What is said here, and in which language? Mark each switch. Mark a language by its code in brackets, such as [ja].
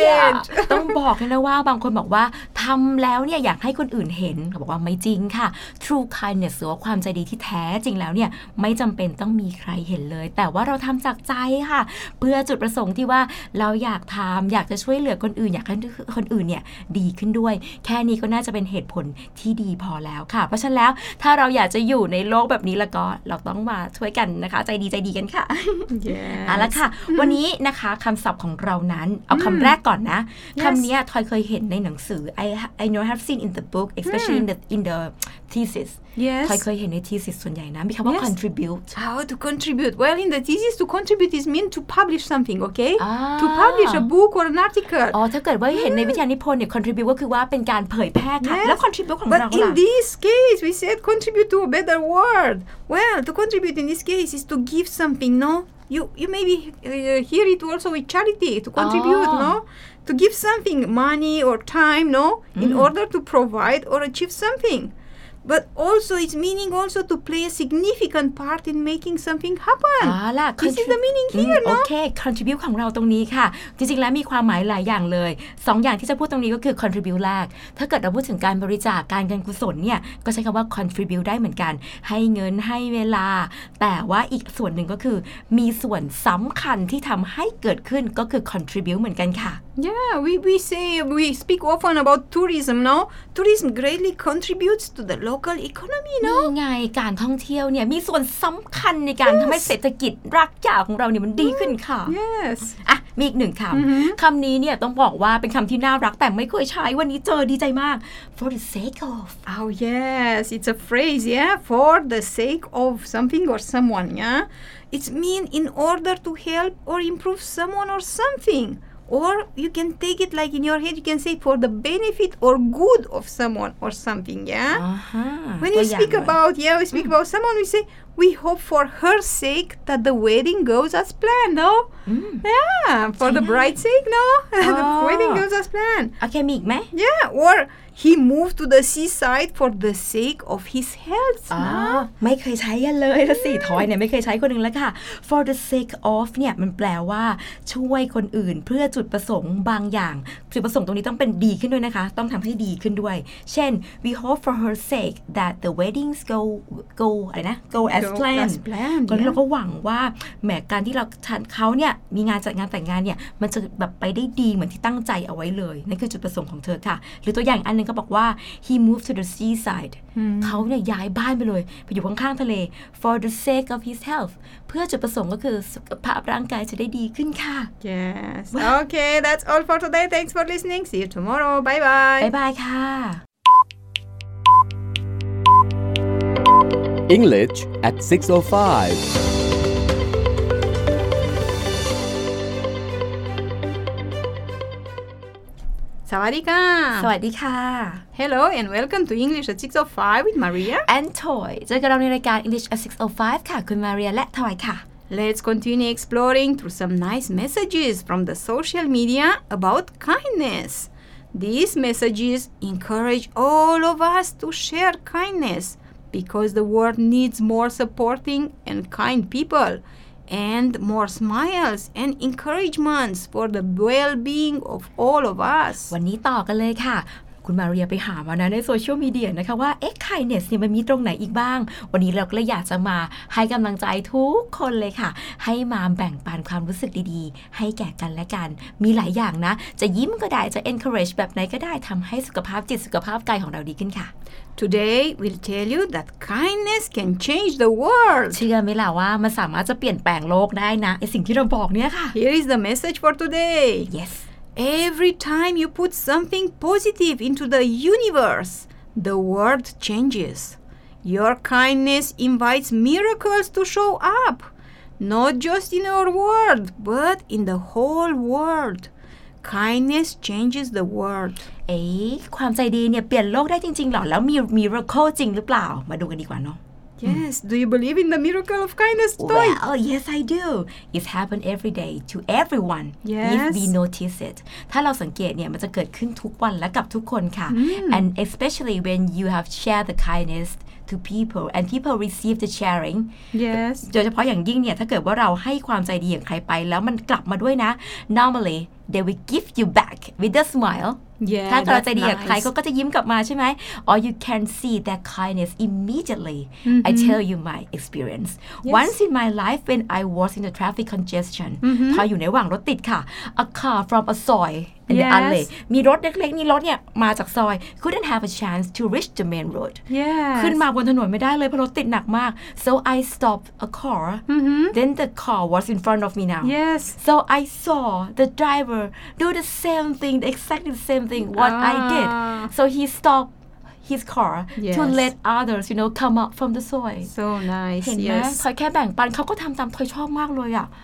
[en] Yeah. [th] ต้องบอกเลยนะว่าบางคนบอกว่าถ้าทำแล้วเนี่ยอยากให้คนอื่นเห็นเขาบอกว่าไม่จริงค่ะ [en] True kindness [th] หรือว่าความใจดีที่แท้จริงแล้วเนี่ยไม่จำเป็นต้องมีใครเห็นเลยแต่ว่าเราทำจากใจค่ะเพื่อจุดประสงค์ที่ว่าเราอยากทำอยากจะช่วยเหลือคนอื่นอยากให้คนอื่นเนี่ยดีขึ้นด้วยแค่นี้ก็น่าจะเป็นเหตุผลที่ดีพอแล้วค่ะเพราะฉะนั้นแล้วถ้าเราอยากจะอยู่ในโลกแบบนี้แล้วก็เราต้องมาช่วยกันนะคะใจดีใจดีกันค่ะ [en] yes. [th] เอาละค่ะ วันนี้นะคะคำศัพท์ของเรานั้นเอาคำแรกก่อนนะ yes. คำนี้ทอยเคยเห็นในหนังสือ [en] I know have seen in the book especially in the thesis yes [th] ทอยเคยเห็นใน thesis ส่วนใหญ่นะมีคำว่า contribute [en] how to contribute well in the thesis to contribute is mean to publish something okay ah. to publish a book or an article [th] อ๋อถ้าเกิดว่าเห็นในวิทยานิพนธ์เนี่ย contribute ก็คือว่าเป็นการเผยแพร่ค่ะ [en] yes. [th] แล้ว contribute ของ [en] but [th] เรา [en] ล่ะ but in this case we said contribute to a better world well to contribute in this case is to give something noYou maybe hear it also with charity, to contribute, oh. no? To give something, money or time, no? In order to provide or achieve something. But also it's meaning also to play a significant part in making something happen. This is the meaning here, no? [th] Okay, contribute ของเราตรงนี้ค่ะจริงๆแล้วมีความหมายหลายอย่างเลยสองอย่างที่จะพูดตรงนี้ก็คือ contribute แรกถ้าเกิดเราพูดถึงการบริจาคการเงินกุศลเนี่ยก็ใช้คำว่า contribute ได้เหมือนกันให้เงินให้เวลาแต่ว่าอีกส่วนหนึ่งก็คือมีส่วนสำคัญที่ทำให้เกิดขึ้นก็คือ contribute เหมือนกันค่ะ [en] Yeah, we speak often about tourism, no? Tourism greatly contributes to the local economy, no? [th] นี่ไงการท่องเที่ยวเนี่ยมีส่วนสำคัญในการ [en] yes. [th] ทำให้เศรษฐกิจรากหญ้าของเราเนี่ยมันดีขึ้นค่ะ [en] Yes [th] อ่ะมีอีกหนึ่งคำ คำนี้เนี่ยต้องบอกว่าเป็นคำที่น่ารักแต่ไม่เคยใช้วันนี้เจอดีใจมาก [en] For the sake of Oh yes, it's a phrase, yeah? For the sake of something or someone, yeah? It's mean in order to help or improve someone or somethingOr you can take it like in your head, you can say for the benefit or good of someone or something, yeah? Uh-huh. When we speak about someone, we say, we hope for her sake that the wedding goes as planned, no? Mm. Yeah, for the bride's sake, no? Oh. the wedding goes as planned. Okay, meek me? Yeah, or... He moved to the seaside for the sake of his health. [th] ไม่เคยใช้กันเลยละสิทอยเนี่ยไม่เคยใช้คนหนึ่งแล้วค่ะ [en] For the sake of [th] เนี่ยมันแปลว่าช่วยคนอื่นเพื่อจุดประสงค์บางอย่างจุดประสงค์ตรงนี้ต้องเป็นดีขึ้นด้วยนะคะต้องทำให้ดีขึ้นด้วยเช่น [en] We hope for her sake that the weddings go [th] อะไรนะ [en] go as planned ค [th] นเราก็หวังว่าแม้การที่เราเขาเนี่ยมีงานจัดงานแต่งงานเนี่ยมันจะแบบไปได้ดีเหมือนที่ตั้งใจเอาไว้เลยนั่นคือจุดประสงค์ของเธอค่ะหรือตัวอย่างอันนึงก็บอกว่า [en] he moved to the seaside [th] เขาเนี่ยย้ายบ้านไปเลยไปอยู่ข้างๆทะเล [en] for the sake of his health [th] เพื่อจุดประสงค์ก็คือสุขภาพร่างกายจะได้ดีขึ้นค่ะ [en] yes okay that's all for today thanks for listening see you tomorrow bye bye bye bye ค่ะ English at 6:05 [th] สวัสดีค่ะ สวัสดีค่ะ [en] Hello and welcome to English at 6:05 with Maria [th] and Toy เจอกันเราในรายการ English at 6:05 ค่ะคุณมาเรียและทอยค่ะ [en] Let's continue exploring through some nice messages from the social media about kindness These messages encourage all of us to share kindness because the world needs more supporting and kind peopleAnd more smiles and encouragements for the well-being of all of us. [th] วันนี้ต่อกันเลยค่ะคุณมาเรียไปหามานะในโซเชียลมีเดียนะคะว่าเอ๊ะ kindness เนี่ยมันมีตรงไหนอีกบ้างวันนี้เราก็เลยอยากจะมาให้กำลังใจทุกคนเลยค่ะให้มาแบ่งปันความรู้สึกดีๆให้แก่กันและกันมีหลายอย่างนะจะยิ้มก็ได้จะ encourage แบบไหนก็ได้ทำให้สุขภาพจิตสุขภาพกายของเราดีขึ้นค่ะ [en] Today, we'll tell you that kindness can change the world. [th] เชื่อไหมล่ะว่ามันสามารถจะเปลี่ยนแปลงโลกได้นะไอสิ่งที่เราบอกเนี่ยค่ะ [en] Here is the message for today. Yes. Every time you put something positive into the universe, the world changes. Your kindness invites miracles to show up. Not just in our world, but in the whole world. Kindness changes the world. [th] เอ๊ะความใจดีเนี่ยเปลี่ยนโลกได้จริงๆหรอแล้วมี miracle จริงหรือเปล่ามาดูกันดีกว่าเนาะ [en] Yes. Do you believe in the miracle of kindness, Toy? Well, yes, I do. It happens every day to everyone. Yes. If we notice it. [th] ถ้าเราสังเกตเนี่ยมันจะเกิดขึ้นทุกวันและกับทุกคนค่ะ [en] And especially when you have shared the kindness to people and people receive the sharing. Yes. [th] โดยเฉพาะอย่างยิ่งเนี่ยถ้าเกิดว่าเราให้ความใจดีอย่างใครไปแล้วมันกลับมาด้วยนะ [en] Normally, they will give you back with a smile. Yeah, [th] ถ้าเราใจดีกับใครเขาก็จะยิ้มกลับมาใช่ไหม [en] Or you can see that kindness immediately. Mm-hmm. I tell you my experience. Yes. Once in my life when I was in the traffic congestion, mm-hmm. [th] พออยู่ในระหว่างรถติดค่ะ [en] a car from a soy in yes. the alley. [th] มีรถเล็กๆนี่รถเนี่ยมาจากซอย [en] couldn't have a chance to reach the main road. Yes. [th] ขึ้นมาบนถนนไม่ได้เลยเพราะรถติดหนักมาก [en] so I stopped a car. Mm-hmm. Then the car was in front of me now. Yes. So I saw the driver do the same thing, exactly the same. Thing what I did, so he stopped his car yes. to let others, you know, come up from the soil. So nice. [th] เห็นไหมถอยแค่แบ่งปันเขาก็ทำตามถอยชอบมากเลยอ่ะ